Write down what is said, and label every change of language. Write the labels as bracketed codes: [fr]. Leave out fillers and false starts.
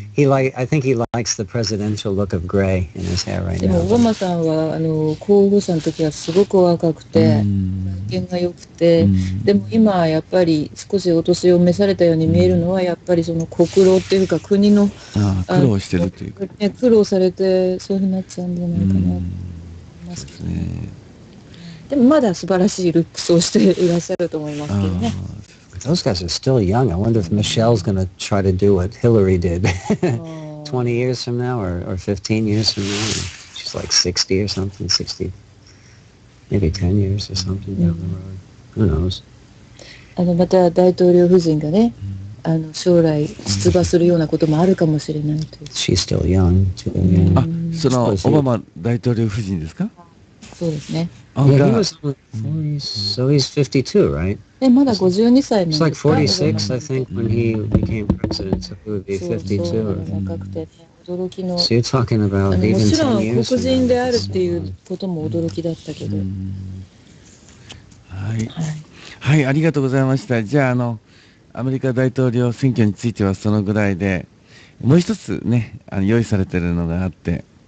[en] I think he likes the presidential look of gray in his hair right now. [ja] でもオバマさんは候補者の時はすごく若くて。体験が良くて、でも今やっぱり少しお年を召されたように見えるのはやっぱりその国労っていうか国の苦労してるというか、ね、苦労されてそういうふうになっちゃうんじゃないかなと思いますけど、ね、でもまだ素晴らしいルックスをしていらっしゃると思いますけどね。 [en] Those guys are still young. I wonder if Michelle's gonna try to do what Hillary did 20 years from now or 15 years from now. She's like 60 or something, 60. Maybe 10 years or something down the road. Who knows? [ja] また大統領夫人がね、将来出馬するようなこともあるかもしれないと。 [en] She's still young too. Yeah. [ja] あ、そのオバマ大統領夫人ですか？そうですね。 [en] Yeah, he was 40, so he's 52, right? [ja] え、まだ52歳なんですか？ [en] It's like 46, I think, when he became president, so he would be 52. [ja] そう、そう、若くて。驚きの、 [en] so、you're talking about [ja] もちろん黒人であるっていうことも驚きだったけど、はい、はい、ありがとうございました。じゃあアメリカ大統領選挙についてはそのぐらいで、もう一つね、用意されてるのがあって、